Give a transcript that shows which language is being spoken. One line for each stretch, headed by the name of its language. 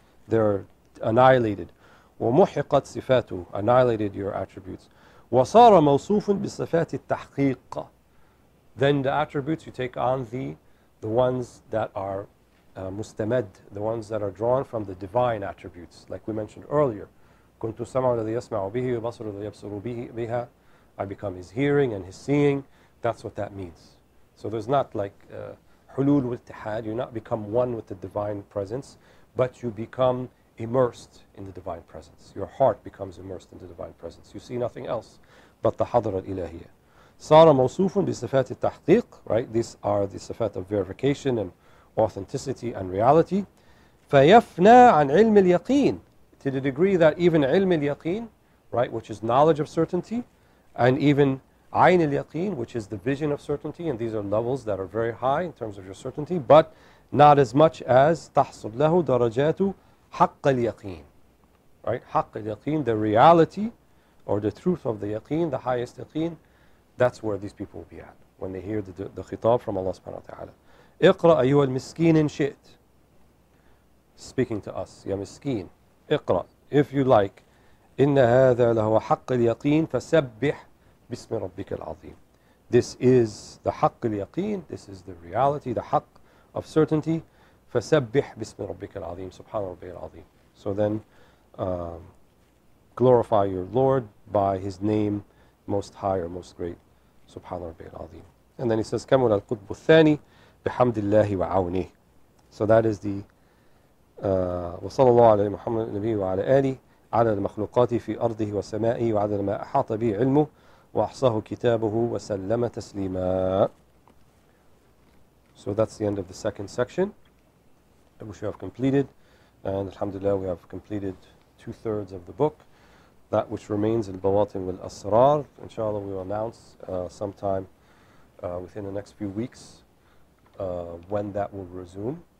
English: They're annihilated.
Arabic: وَمُحِقَتْ صِفَاتُ,
English: annihilated your attributes.
Arabic: وَصَارَ مَوْصُوفٌ بِصِفَاتِ التَّحْقِيقِ,
English: then the attributes you take on the ones that are mustamad, the ones that are drawn from the divine attributes, like we mentioned earlier.
Arabic: كُنْتُ سَمْعُ الَّذِي يَسْمَعُ بِهِ وَبَصْرُ الَّذِي يَبْصُرُ بِهَا,
English: I become his hearing and his seeing. That's what that means. So there's not like
Arabic: حلول والتحاد,
English: you not become one with the divine presence, but you become immersed in the divine presence. Your heart becomes immersed in the divine presence. You see nothing else but the
Arabic: hadra al-ilahiyya. صار موصوفا بصفات التحقيق,
English: right? These are the صفات of verification and authenticity and reality.
Arabic: فيفنى عن علم اليقين,
English: to the degree that even علم اليقين, right, which is knowledge of certainty, and even عين اليقين, which is the vision of certainty, and these are levels that are very high in terms of your certainty, but not as much as
Arabic: تحصل له درجات حق اليقين,
English: right?
Arabic: حق اليقين,
English: the reality or the truth of the يقين, the highest يقين, that's where these people will be at when they hear the khitab from Allah subhanahu wa ta'ala.
Arabic: اقرأ أيها المسكين إن شئت,
English: speaking to us,
Arabic: يا مسكين, اقرأ,
English: if you like,
Arabic: إن هذا لهو حق اليقين فسبح بسم ربك العظيم.
English: This is the حق اليقين, this is the reality, the حق of certainty.
Arabic: فسبح بسم ربك العظيم, سبحان ربي العظيم.
English: So then glorify your Lord by his name, most high or most great,
Arabic: سبحان ربي العظيم.
English: And then he says
Arabic: كمل القطب الثاني بحمد الله وعونه.
English: So that is the
Arabic: وصلى الله على محمد النبي وعلى آله على المخلوقات في أرضه وسمائه وعلى ما أحاط به علمه وأحصاه كتابه وسلم تسليما.
English: So that's the end of the second section, which we have completed. And alhamdulillah, we have completed 2/3 of the book. That which remains,
Arabic: البواطن والأسرار,
English: inshallah, we will announce sometime within the next few weeks when that will resume.